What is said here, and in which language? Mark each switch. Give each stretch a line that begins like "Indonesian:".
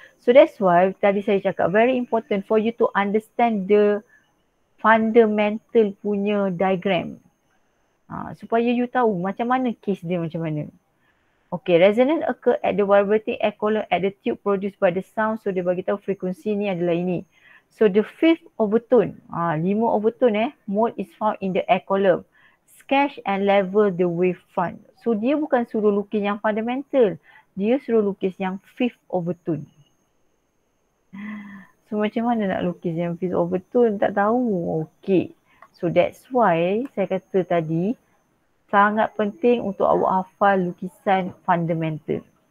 English: So that's why
Malay: tadi saya cakap
English: very important for you to understand the fundamental
Malay: punya
English: diagram.
Malay: Supaya you tahu macam mana
English: case dia macam mana. Okay, resonance occur at the vibrating air column at the tube produced by the sound.
Malay: So dia bagi tahu frekuensi ni adalah ini.
English: So the fifth overtone,
Malay: lima
English: overtone mode is found in the air column. Sketch and level the wavefront.
Malay: So dia bukan suruh lukis yang fundamental. Dia suruh lukis yang fifth overtone. So macam mana nak lukis yang fifth overtone? Tak tahu. Okay.
English: So that's why
Malay: saya kata tadi, sangat penting untuk awak hafal lukisan fundamental.